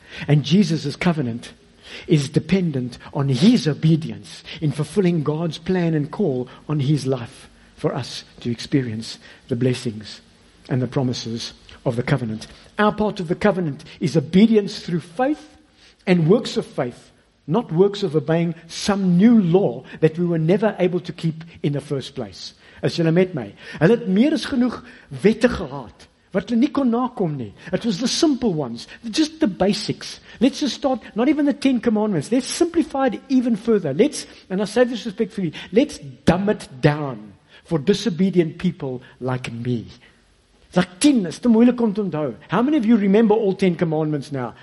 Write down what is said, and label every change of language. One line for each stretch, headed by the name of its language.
English: And Jesus' covenant is dependent on His obedience in fulfilling God's plan and call on His life for us to experience the blessings and the promises of the covenant. Our part of the covenant is obedience through faith and works of faith, not works of obeying some new law that we were never able to keep in the first place.
Afrikaans: As jy met my, hulle het meer as genoeg wette gehad, wat hulle nie kon nakom nie.
English: It was the simple ones, just the basics. Let's just start, not even the Ten Commandments. Let's simplify it even further. Let's, and I say this respectfully, let's dumb it down for disobedient people like me. Like 10,
Afrikaans: is te moeilik om te onthou.
English: How many of you remember all 10 commandments now?